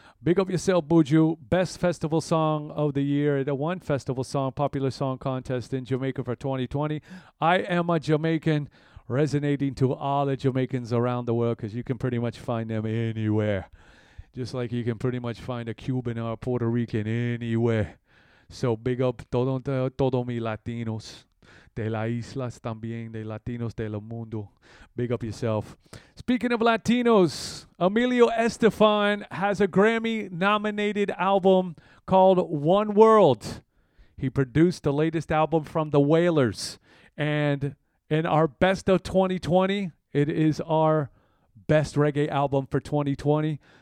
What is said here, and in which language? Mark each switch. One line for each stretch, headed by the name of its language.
English: Big up yourself, Buju. Best Festival Song of the Year at the One Festival Song Popular Song Contest in Jamaica for 2020. I Am a Jamaican, resonating to all the Jamaicans around the world, because you can pretty much find them anywhere. Just like you can pretty much find a Cuban or a Puerto Rican anywhere. So big up
Spanish: todo mi Latinos de la Islas también, de Latinos del Mundo.
English: Big up yourself. Speaking of Latinos, Emilio Estefan has a Grammy-nominated album called One World. He produced the latest album from the Wailers. And in our best of 2020, it is our best reggae album for 2020.